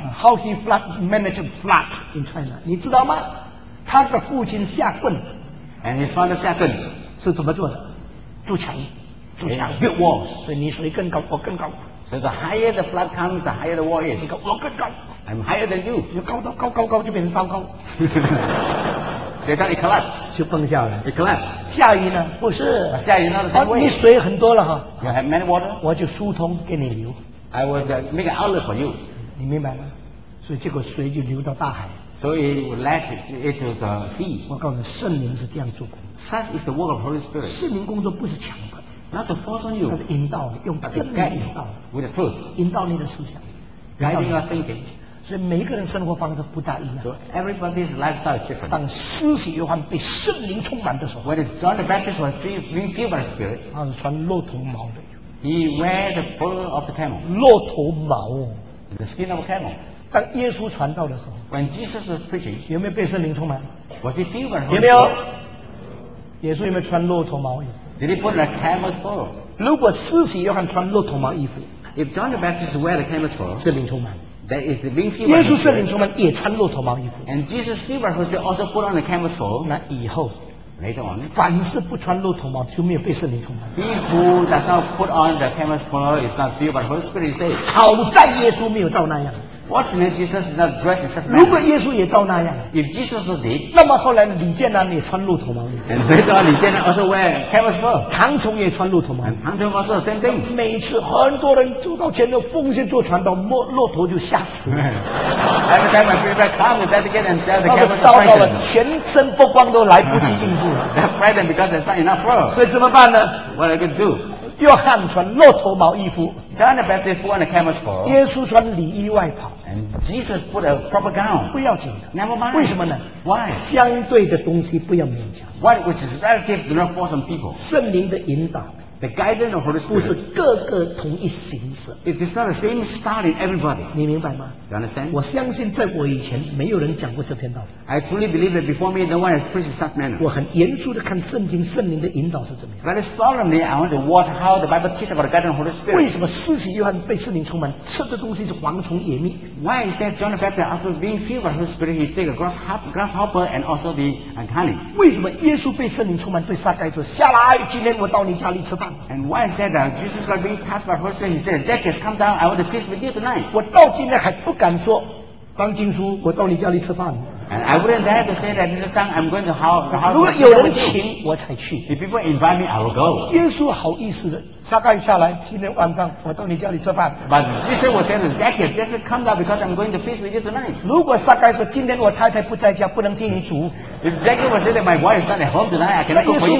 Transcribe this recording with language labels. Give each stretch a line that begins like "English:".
English: How he flood managed flood in China?
Chinese: 你知道吗？他的父亲下棍。
English: And his father 下棍
Chinese: 是怎么做的？筑墙，筑墙
English: ，build walls.
Chinese: 所以你水更高，我更高。
English: So the higher the flood comes, the higher the wall is.
Chinese: 你高，我更高。
English: I'm higher than you.
Chinese: 你高到高高高就变成糟糕。
English: They thought it collapsed.
Chinese: 就崩下来。
English: It collapsed.
Chinese: 下雨呢？不是。下雨呢？哦，你水很多了哈。
English: You have many water.
Chinese: 我就疏通给你流。
English: I will make an outlet for you.
Chinese: 你明白吗？所以结果水就流到大海。
English: So it will let it into the sea.
Chinese: 我告诉你，圣灵是这样做工。
English: Such is the work of Holy Spirit.
Chinese: 圣灵工作不是强迫。
English: Not to force on you.
Chinese: 它是引导你，用真理引导。
English: With the truth.
Chinese: 引导你的思想。
English: Guiding your thinking.
Chinese: 所以每一个人生活方式不大一样。
English: So everybody's lifestyle is different.
Chinese: 当施洗约翰被圣灵充满的时候
English: ，When John the Baptist was being filled by the Spirit，
Chinese: 他是穿骆驼毛的。
English: He wear the fur of the camel.
Chinese: 骆驼毛。
English: The skin of a camel.
Chinese: 当耶稣传道的时候
English: ，When Jesus was preaching，
Chinese: 有没有被圣灵充满
English: ？Was he filled by the Spirit？
Chinese: 有没有？耶稣有没有穿骆驼毛衣
English: ？Did he put a camel's fur？
Chinese: 如果施洗约翰穿骆驼毛衣服
English: ，If John the Baptist wear the camel's fur，
Chinese: 圣灵充满。
English: That is the being filled.
Chinese: 耶稣圣灵充满也穿骆驼毛衣服。
English: And Jesus filled by the Spirit also put on the camel's fur.
Chinese: 那以后
English: ，later on，
Chinese: 凡是不穿骆驼毛就没有被圣灵充满。
English: He who does not put on the camel's fur is not filled by the Holy Spirit. He said，
Chinese: 好在耶稣没有照那样。
English: Fortunately, Jesus did not dress in such a manner.
Chinese: 如果耶稣也照那样
English: ，If Jesus did，
Chinese: 那么后来李建南也穿骆驼毛衣服。
English: And later on， 李建南 also wear camel's fur.
Chinese: 唐崇也穿骆驼毛衣服。
English: 唐崇 also same thing.
Chinese: 每次很多人走到前面奉献做传道，摸骆驼就吓死了。
English: Every time my people come and dedicate themselves, the camel's fur.
Chinese: 糟糕了，全身不光都来不及应付了。
English: They're frightened because there's not enough fur.
Chinese: 所以怎么办呢
English: ？What are we going to do?
Chinese: 约翰穿骆驼毛衣服。
English: John the Baptist put on the camel's fur.
Chinese: 耶稣穿里衣外袍。
English: Jesus put a proper gown.
Chinese: 不要紧的
English: ，Never mind.
Chinese: 为什么呢
English: ？Why?
Chinese: 相对的东西不要勉强。
English: What which is relative do not force on people.
Chinese: 圣灵的引导
English: ，the guidance of Holy Spirit.
Chinese: 不是个个同一形式。
English: It is not the same style in everybody.
Chinese: 你明白吗
English: ？You understand?
Chinese: 我相信在我以前没有人讲过这篇道理。
English: I truly believe that before me, no one has preached such manner.
Chinese: 我很严肃的看圣经，圣灵的引导是怎么样
English: ？Very solemnly, I want to watch how the Bible teaches about the guidance of Holy Spirit.
Chinese: 为什么施洗约翰被圣灵充满，吃的东西是蝗虫野蜜？
English: Why is that John the Baptist, after being filled with the Holy Spirit, he take a grasshopper and also the honey?
Chinese: 为什么耶稣被圣灵充满，对撒该说下来，今天我到你家里吃饭
English: ？And why is that Jesus got being passed by the Holy Spirit? He said, Zacchaeus, come down, I want to feast with you tonight.
Chinese: 我到今天还不敢说，张经书，我到你家里吃饭。
English: And I wouldn't dare to say that, Mr. Zhang, I'm going to house.
Chinese: 如果有人请，我才去。
English: If people invite me, I will go.
Chinese: 耶稣好意思的，撒该下来，今天晚上我到你家里吃饭。
English: But Jesus will tell Zacchaeus, just come down because I'm going to feast with you tonight.
Chinese: 如果撒该说今天我太太不在家，不能替你煮。
English: If Zacchaeus will say that my wife is not at home tonight, I cannot cook for you.